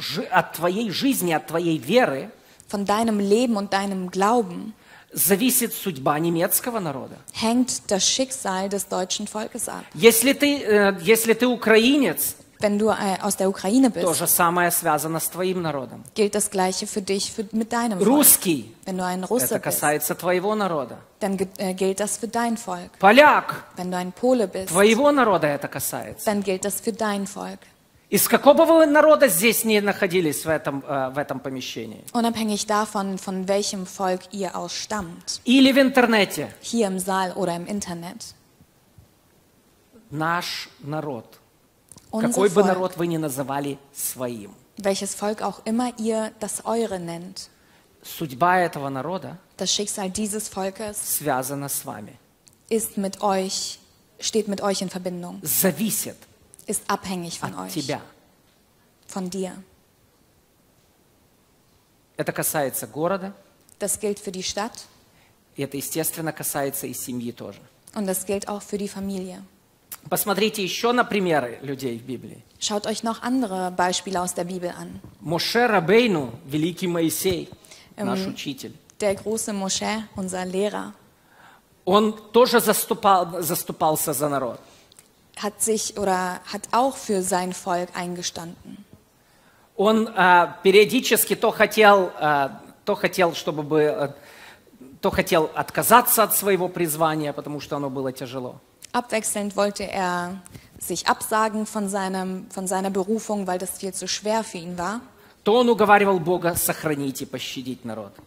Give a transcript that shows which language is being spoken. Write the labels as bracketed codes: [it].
[ru] От твоей жизни, от твоей веры, [de] von deinem Leben und deinem Glauben, [ru] зависит судьба немецкого народа. [de] Hängt das Schicksal des deutschen Volkes ab. [ru] Если ты украинец, [de] wenn du aus der Ukraine bist, [ru] то же самое связано с твоим народом. [de] Gilt das gleiche für dich mit deinem Volk. [ru] Русский, [de] wenn du ein Russe [ru] это касается [de] bist, [ru] твоего народа. [de] Dann gilt das für dein Volk. [ru] Поляк, [de] wenn du ein Pole bist, [ru] твоего народа это касается. [de] Dann gilt das für dein Volk. [ru] Из какого вы народа здесь не находились в этом помещении? [de] Unabhängig davon, von welchem Volk ihr ausstammt. [ru] Или в интернете? [de] Hier im Saal oder im Internet. [ru] Наш народ. [de] Unser [ru] какой [de] Volk. [ru] Бы народ вы не называли своим? [de] welches Volk auch immer ihr das eure nennt, [ru] судьба этого народа, [de] das Schicksal dieses Volkes, [ru] связано с вами, [de] ist mit euch, steht mit euch in Verbindung, [ru] зависит, [de] ist abhängig von [ru] от [de] euch, [ru] тебя, [de] von dir. [ru] Это касается города, [de] das gilt für die Stadt, [ru] и это, естественно, касается и семьи тоже. [de] Und das gilt auch für die Familie. [ru] Посмотрите еще на примеры людей в Библии. [de] Schaut euch noch andere Beispiele aus der Bibel an. [ru] Моше Рабейну, великий Моисей, наш учитель. [de] Der große Моше, unser Lehrer. [ru] Он тоже заступался за народ. [de] Hat sich oder hat auch für sein Volk eingestanden. [ru] Он периодически то хотел отказаться от своего призвания, потому что оно было тяжело. [de] Abwechselnd wollte er sich absagen von seiner Berufung, weil das viel zu schwer für ihn war. [ru] То он уговаривал Бога сохранить и пощадить народ.